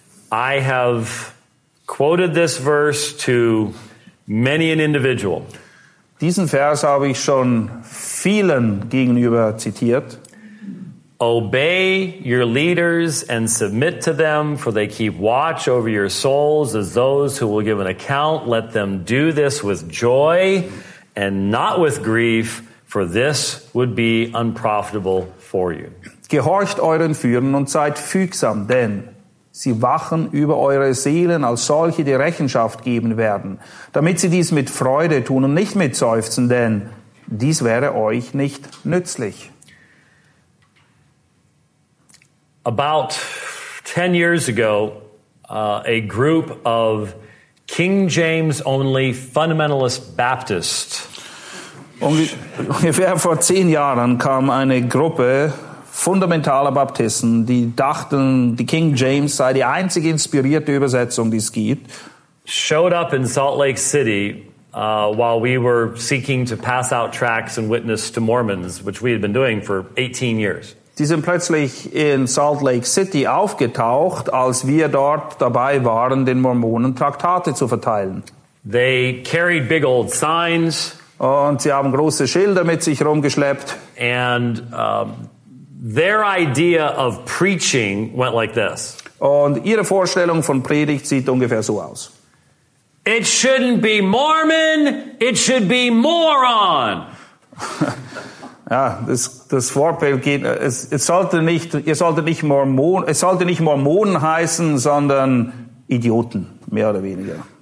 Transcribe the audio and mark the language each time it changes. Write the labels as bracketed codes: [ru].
[en] I have quoted this verse to many an individual. [de] Diesen Vers habe ich schon vielen gegenüber zitiert. [en] Obey your leaders and submit to them, for they keep watch over your souls as those who will give an account. Let them do this with joy and not with grief, for this would be unprofitable for you. [de] Gehorcht euren Führern und seid fügsam, denn sie wachen über eure Seelen als solche, die Rechenschaft geben werden, damit sie dies mit Freude tun und nicht mit Seufzen, denn dies wäre euch nicht nützlich. [en] About 10 years ago, a group of King James only fundamentalist Baptists. [de] Ungefähr vor 10 Jahren kam eine Gruppe fundamentaler Baptisten, die dachten, die King James sei die einzige inspirierte Übersetzung, die es gibt. [en] Showed up in Salt Lake City while we were seeking to pass out tracts and witness to Mormons, which we had been doing for 18 years. [de] Die sind plötzlich in Salt Lake City aufgetaucht, als wir dort dabei waren, den Mormonen Traktate zu verteilen. [en] They carried big old signs. [de] Und sie haben große Schilder mit sich rumgeschleppt. [en] And their idea of preaching went like this. [de] Und ihre Vorstellung von Predigt sieht ungefähr so aus. [en] It shouldn't be Mormon, it should be moron. [de] Ja, das Vorbild geht, es sollte nicht Mormonen heißen, sondern Idioten, mehr oder weniger.